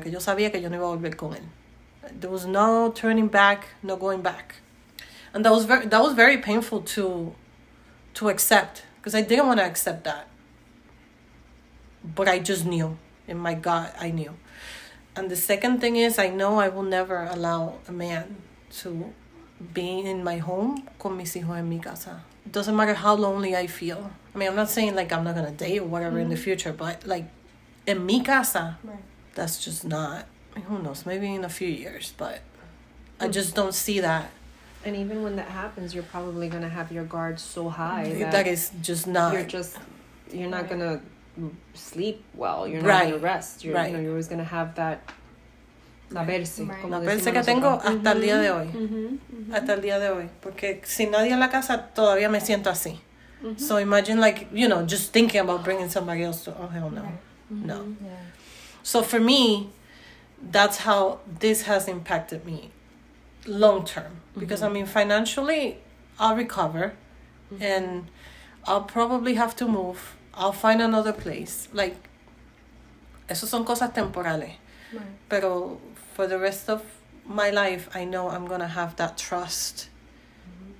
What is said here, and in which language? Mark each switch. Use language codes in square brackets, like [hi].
[es] Que yo sabía que yo no iba a volver con él. [en] There was no turning back, no going back. And that was very painful to accept, because I didn't want to accept that. But I just knew, in my gut, I knew. And the second thing is, I know I will never allow a man to be in my home con mis hijos en mi casa. It doesn't matter how lonely I feel. I mean, I'm not saying like I'm not gonna date or whatever in the future, but like, in mi casa, right. That's just not, who knows, maybe in a few years, but I just don't see that. And even when that happens, you're probably going to have your guard so high. That is just not. You're not right. Going to sleep well. You're not right. Going to rest. You're, right. You know, you're always going to have that. [es] La verse. Right. La verse que tengo hasta el día de hoy. Mm-hmm. Mm-hmm. Hasta el día de hoy. Porque sin nadie en la casa, todavía me siento así. Mm-hmm. [en] So imagine like, you know, just thinking about bringing somebody else to, oh, hell no. Right. Mm-hmm. No. Yeah. So for me, that's how this has impacted me. long term, because mm-hmm. I mean financially I'll recover mm-hmm. and I'll probably have to move, I'll find another place, like eso son cosas temporales, pero for the rest of my life I know I'm gonna have that trust mm-hmm.